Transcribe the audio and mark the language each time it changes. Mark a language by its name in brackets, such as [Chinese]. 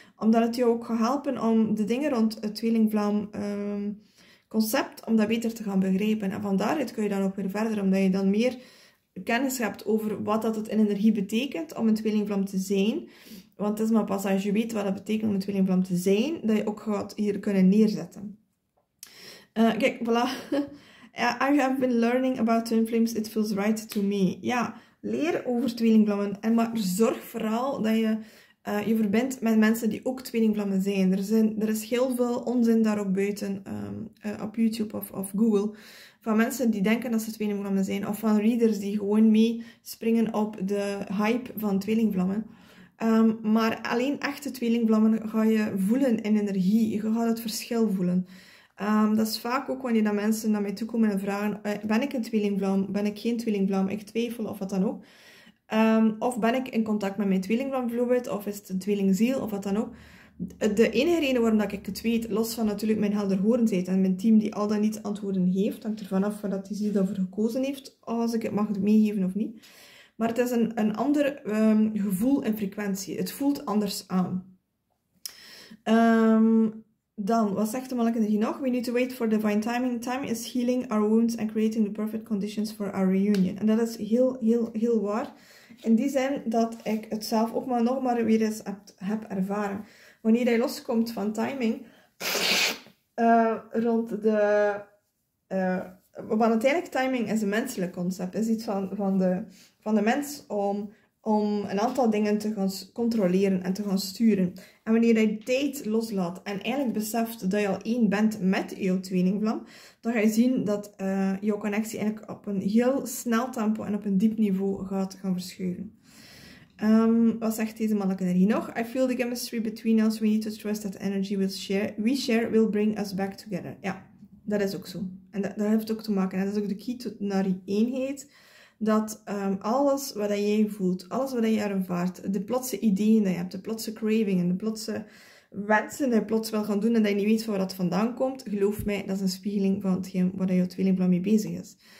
[Dutch] Omdat het jou ook gaat helpen om de dingen rond het tweelingvlam concept, om dat beter te gaan begrijpen. En van daaruit kun je dan ook weer verder, omdat je dan meer kennis hebt over wat dat het in energie betekent om een tweelingvlam te zijn, want het is maar pas als je weet wat het betekent om een tweelingvlam te zijn, dat je ook gaat hier kunnen neerzetten. Kijk, voilà. [English] I have been learning about twin flames, it feels right to me. [Dutch] Ja, leer over tweelingvlammen, en maar zorg vooral dat je je verbindt met mensen die ook tweelingvlammen zijn. Er is heel veel onzin daarop buiten, op YouTube of Google, van mensen die denken dat ze tweelingvlammen zijn, of van readers die gewoon mee springen op de hype van tweelingvlammen. Maar alleen echte tweelingvlammen ga je voelen in energie. Je gaat het verschil voelen. Dat is vaak ook wanneer dat mensen naar mij toe komen en vragen, ben ik een tweelingvlam, ben ik geen tweelingvlam, ik twijfel of wat dan ook. Of ben ik in contact met mijn tweelingvlam bijvoorbeeld, of is het een tweelingziel of wat dan ook. De enige reden waarom dat ik het weet, los van natuurlijk mijn helderhorendheid en mijn team die al dan niet antwoorden heeft, hangt er vanaf dat die ziel daarvoor gekozen heeft, als ik het mag meegeven of niet. Maar het is een ander gevoel en frequentie. Het voelt anders aan. Dan, wat zegt de mannelijke energie nog? [English] We need to wait for divine timing. Time is healing our wounds and creating the perfect conditions for our reunion. [Dutch] En dat is heel, heel, heel waar. In die zin dat ik het zelf ook maar nog maar weer eens heb ervaren. Wanneer hij loskomt van timing, rond de... Want uiteindelijk, timing is een menselijk concept. Is iets van de mens om een aantal dingen te gaan controleren en te gaan sturen. En wanneer je tijd loslaat en eigenlijk beseft dat je al één bent met jouw tweelingvlam, dan ga je zien dat jouw connectie eigenlijk op een heel snel tempo en op een diep niveau gaat gaan verschuiven. Wat zegt deze mannelijke energie nog? [English] I feel the chemistry between us. We need to trust that the energy we share will bring us back together. [Dutch] Ja, dat is ook zo. En dat heeft ook te maken. En dat is ook de key tot naar die eenheid. Dat alles wat jij voelt, alles wat je ervaart, de plotse ideeën die je hebt, de plotse cravingen, de plotse wensen die je plots wil gaan doen en dat je niet weet waar dat vandaan komt, geloof mij, dat is een spiegeling van hetgeen waar je tweelingvlam mee bezig is.